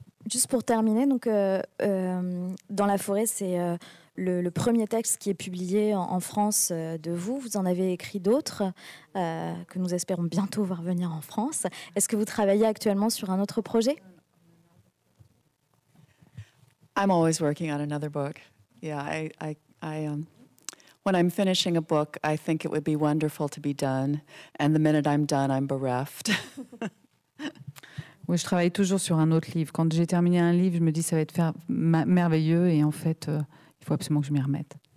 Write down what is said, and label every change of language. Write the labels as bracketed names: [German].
[French] Juste pour terminer, donc Dans la forêt, c'est le premier texte qui est publié en France de vous. Vous en avez écrit d'autres que nous espérons bientôt voir venir en France. Est-ce que vous travaillez actuellement sur un autre projet? [English] I'm always working on another book. Yeah, I when I'm finishing a book, I think it would be wonderful to be done, and the minute I'm done, I'm bereft. [French] Oui, je travaille toujours sur un autre livre. Quand j'ai terminé un livre, je me dis que ça va être merveilleux. Et en fait, il faut absolument que je m'y remette.